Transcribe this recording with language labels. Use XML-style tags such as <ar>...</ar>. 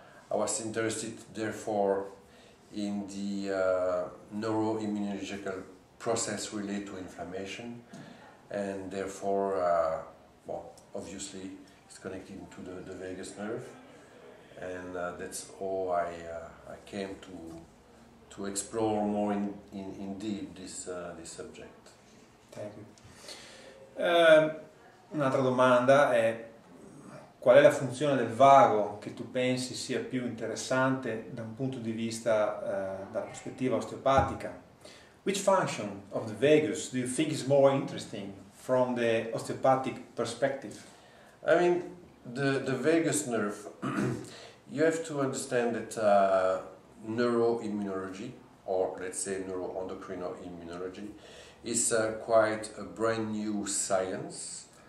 <en>was interested, therefore, in the neuroimmunological process related to inflammation, and therefore, well, obviously, it's connected to the vagus nerve, and that's how I came to explore more in deep this subject. Thank you.</en> <it>Un'altra domanda è: qual è la funzione del vago che tu pensi sia più interessante da un punto di vista, dalla prospettiva osteopatica?</it> <en>Which function of the vagus do you think is more interesting from the osteopathic perspective? I mean, the vagus nerve, you have to understand that neuroimmunology, or let's say neuroendocrinoimmunology, is quite a brand new science.</en>